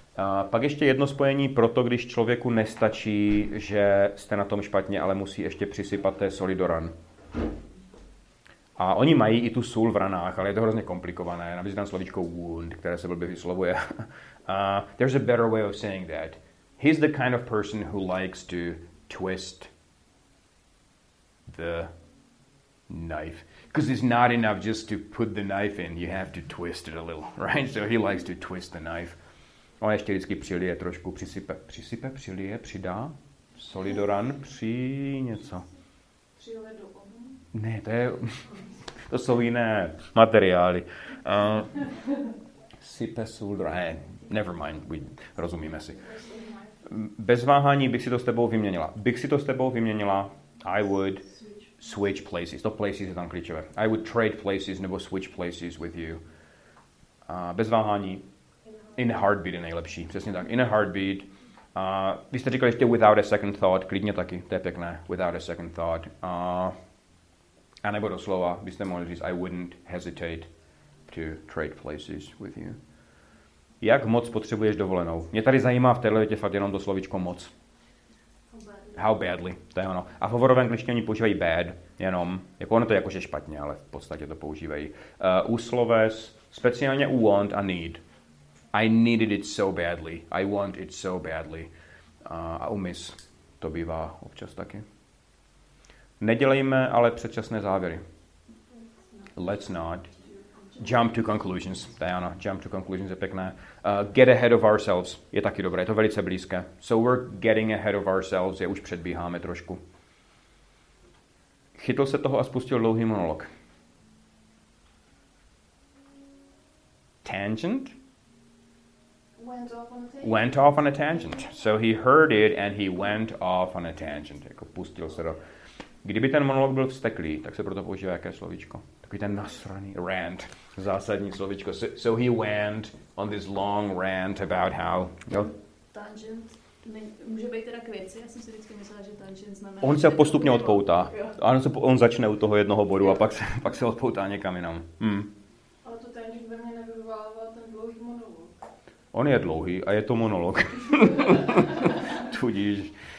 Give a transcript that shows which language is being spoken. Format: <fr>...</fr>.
<cs>A pak ještě jedno spojení pro to, když člověku nestačí, že jste na tom špatně, ale musí ještě přisypat té soli do ran. A oni mají i tu sůl v ranách, ale je to hrozně komplikované. Navíc tam slovíčko wound, které se blbě vyslovuje.</cs> <en>There's a better way of saying that. He's the kind of person who likes to twist the knife. Because it's not enough just to put the knife in. You have to twist it a little, right? So he likes to twist the knife.</en> <cs>On ještě vždycky přilije trošku, přisype, přilije, přidá, soli do ran, při něco. Přilije do ohně? Ne, to je, to jsou jiné materiály. Sype sůl do ran, never mind, rozumíme si. Bez váhání bych si to s tebou vyměnila. Bych si to s tebou vyměnila, I would switch places. To places je tam klíčové.</cs> <en>I would trade places, nebo switch places with you.</en> <cs>Bez váhání. In a heartbeat je nejlepší, přesně tak. In a heartbeat. Vy jste říkali ještě without a second thought, klidně taky, to je pěkné. Without a second thought.</cs> <en>A nebo doslova, byste mohli říct, I wouldn't hesitate to trade places with you.</en> <cs>Jak moc potřebuješ dovolenou? Mě tady zajímá v téhle větě fakt jenom to slovíčko moc. How badly, to je ono. A v hovorové angličtině oni používají bad, jenom. Jako ono to je jakože špatně, ale v podstatě to používají. U sloves, speciálně u want a need.</cs> <en>I needed it so badly. I want it so badly. A umys to bývá občas taky.</en> <cs>Nedělejme ale předčasné závěry. Let's not Jump to conclusions. Diana, jump to conclusions je pěkné. Get ahead of ourselves je taky dobré, je to velice blízké.</cs> <en>So we're getting ahead of ourselves, je už předbíháme trošku.</en> <cs>Chytl se toho a spustil dlouhý monolog.</cs> <en>Tangent? Went off on a tangent. So he heard it and he went off on a tangent. Jako pustil se do...</en> <cs>Kdyby ten monolog byl vzteklý, tak se proto používá jaké slovíčko? Takový ten nasraný rant. Zásadní slovíčko.</cs> <en>So he went on this long rant about how...</en> <cs>Jo? Tangent. Může být teda k věci. Já jsem si vždycky myslela, že tangent znamená... On se postupně odpoutá. Ano, on začne u toho jednoho bodu a pak se odpoutá někam jinam. Ale to tangent ve mně nevyvolává ten dlouhý monolog. On je dlouhý a je to monolog. Tudíž...</cs>